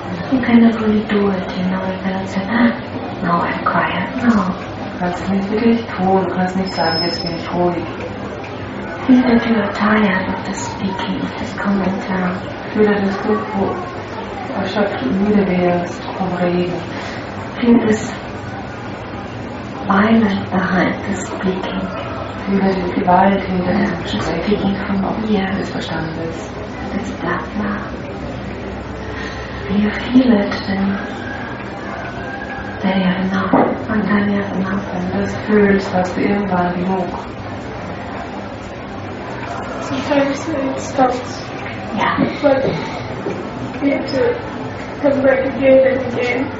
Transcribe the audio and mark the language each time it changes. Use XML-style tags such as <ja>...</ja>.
<en>You cannot really do it, you know, and then say, no, I'm quiet, no.</en> <de>Du kannst es nicht wirklich tun, du kannst nicht sagen, jetzt bin ich ruhig.</de> <en>Feel that you are tired of the speaking, of this commentary.</en> <de>Fühl, dass du erschöpft und müde wärst vom Reden.</de> <en>Feel this violence behind the speaking.</en> <de>Fühl die Gewalt hinter dem Sprechen, vom Ohr des Verstandes.</de> <en>It's black now. When you feel it, then you have enough. And then you have enough.</en> <de>Wenn du es fühlst, hast du irgendwann genug.</de> <en>Sometimes it stops. Yeah. But you have to come back again and again.</en>